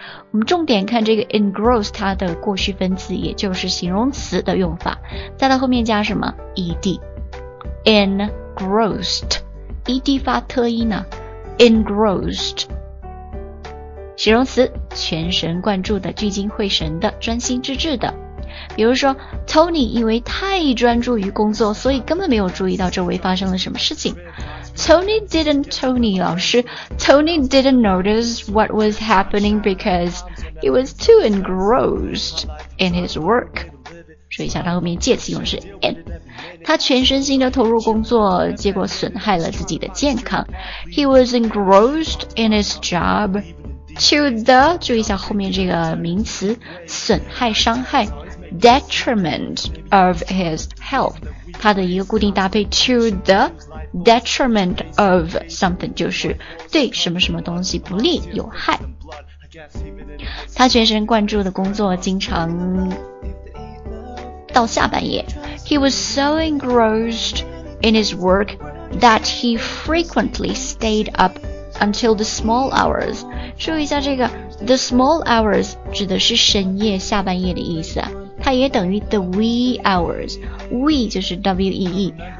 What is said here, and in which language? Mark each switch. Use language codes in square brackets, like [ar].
[zh] 我们重点看这个 engross 它的过去分词，也就是形容词的用法，再到后面加什么 ，ed，engrossed。 ed 发特音呢 ，engrossed， 形容词，全神贯注的，聚精会神的，专心致志的。比如说 ，Tony 因为太专注于工作，所以根本没有注意到周围发生了什么事情。 [en] Tony didn't notice what was happening because he was too engrossed in his work。 [zh] 注意一下，它后面介词用的是 in。他全身心地投入工作，结果损害了自己的健康。 [en] He was engrossed in his job. To the, [zh] 注意一下后面这个名词，损害、伤害 , [en] detriment of his health. [zh] 他的一个固定搭配 [en] to the detriment of something [zh] 就是对什么什么东西不利有害他全神贯注的工作经常到下半夜 [en] He was so engrossed in his work that he frequently stayed up until the small hours [zh] 注意一下这个 the small hours 指的是深夜下半夜的意思它也等于 [en] the wee hours wee [zh] 就是 W-E-E、